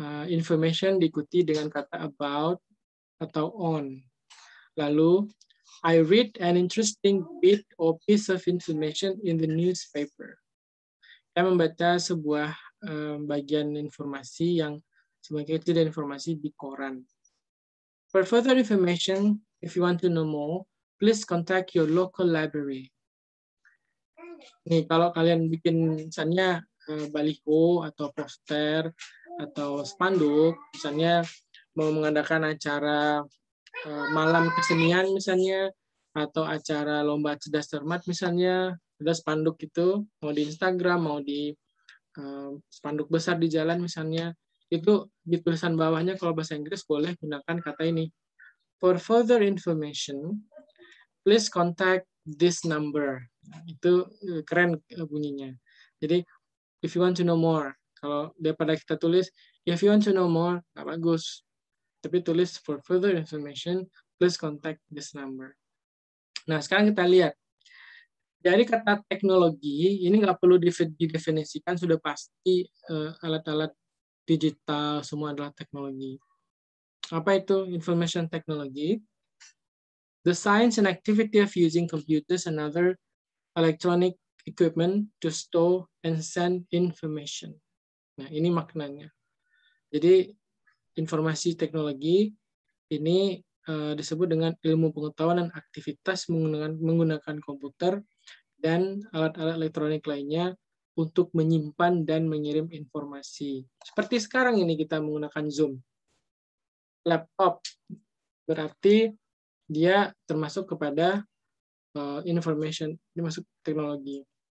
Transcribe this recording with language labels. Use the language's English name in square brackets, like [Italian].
[Indonesian] Information diikuti dengan kata about atau on. Lalu, [English] I read an interesting bit or piece of information in the newspaper. [Indonesian] Saya membaca sebuah bagian informasi yang sebagai itu dan informasi di koran. [English] For further information, if you want to know more, please contact your local library. [Indonesian] Nih, kalau kalian bikin misalnya baliho atau poster atau spanduk, misalnya mau mengadakan acara malam kesenian misalnya, atau acara lomba cerdas cermat misalnya, ada spanduk itu, mau di Instagram, mau di spanduk besar di jalan misalnya, itu di tulisan bawahnya kalau bahasa Inggris boleh gunakan kata ini. [English] For further information, please contact this number. [Indonesian] Itu keren bunyinya. Jadi, [English] if you want to know more, [Indonesian] kalau daripada kita tulis, [English] if you want to know more, [Indonesian] nggak bagus. Tapi tulis [English] for further information, please contact this number. [Indonesian] Nah, sekarang kita lihat. Dari kata teknologi, ini nggak perlu didefinisikan, sudah pasti alat-alat digital, semua adalah teknologi. Apa itu information technology? [English] The science and activity of using computers and other electronic equipment to store and send information. [Indonesian] Nah, ini maknanya. Jadi, informasi teknologi ini disebut dengan ilmu pengetahuan dan aktivitas menggunakan komputer dan alat-alat elektronik lainnya untuk menyimpan dan mengirim informasi. Seperti sekarang ini kita menggunakan Zoom. Laptop berarti dia termasuk kepada information, termasuk teknologi.